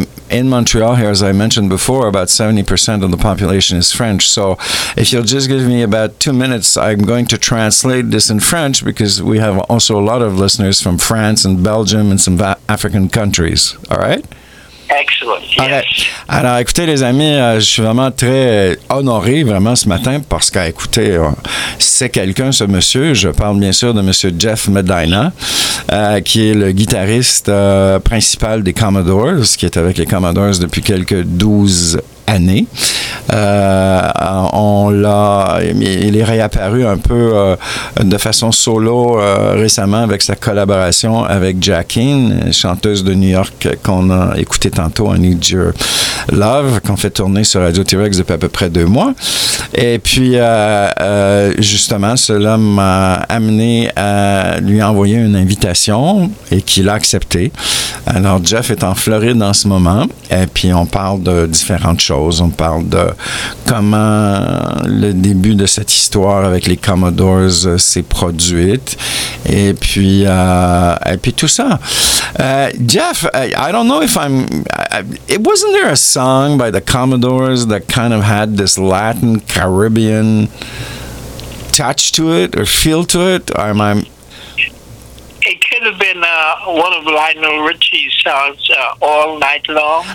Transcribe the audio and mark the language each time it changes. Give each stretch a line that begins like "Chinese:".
English: In Montreal here, as I mentioned before, about 70% of the population is French. So if you'll just give me about 2 minutes, I'm going to translate this in French, because we have also a lot of listeners from France and Belgium and some African countries. All right? Excellent. Yes. Okay.
French: Alors, écoutez, les amis, je suis vraiment très honoré, vraiment, ce matin, parce que, écoutez, c'est quelqu'un, ce monsieur. Je parle, bien sûr, de monsieur Jeff Medina, qui est le guitariste principal des Commodores, qui est avec les Commodores depuis quelques 12 années. Il est réapparu un peu de façon solo récemment avec sa collaboration avec Jackin, chanteuse de New York qu'on a écouté tantôt, I Need Your Love, qu'on fait tourner sur Radio T-Rex depuis à peu près 2 mois. Et puis, justement, cela m'a amené à lui envoyer une invitation et qu'il a accepté. Alors, Jeff est en Floride en ce moment et puis on parle de différentes choses. On parle de comment le début de cette histoire avec les Commodores s'est produite et puis tout ça.
English: Jeff, I don't know if I'm... wasn't there a song by the Commodores that kind of had this Latin Caribbean touch to it or feel to it? Or am I... It could have been one of Lionel Richie's songs, All Night Long.